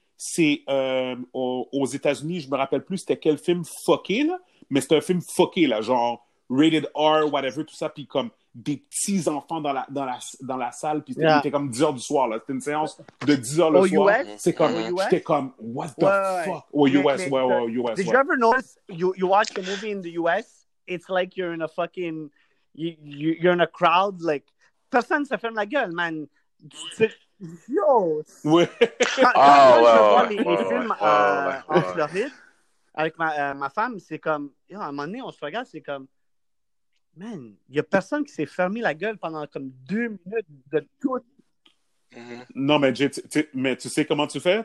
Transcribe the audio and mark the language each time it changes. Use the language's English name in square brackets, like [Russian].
[French] C'est aux États-Unis, je me rappelle plus c'était quel film fucké, là, mais c'était un film fucké, là, genre [English] rated R, whatever, [French] tout ça, puis comme des petits-enfants dans la salle, puis c'était [English] yeah. [French] comme 10h du soir, là, c'était une séance de 10h le au soir. Au US? C'est comme, mm-hmm. J'étais comme, [English] what the fuck? [French] Au US, ouais, au US. [English] Did you ever notice, you watch a movie in the US, it's like you're in a fucking, you're in a crowd, like, [French] personne se ferme la gueule, [English] man. [French] C'est... Yo! Oui. Quand je vois les films en Floride avec ma femme, c'est comme, yo, à un moment donné, on se regarde, c'est comme, man, il n'y a personne qui s'est fermé la gueule pendant comme 2 minutes de tout. Mm-hmm. Non, mais Jay, tu sais comment tu fais?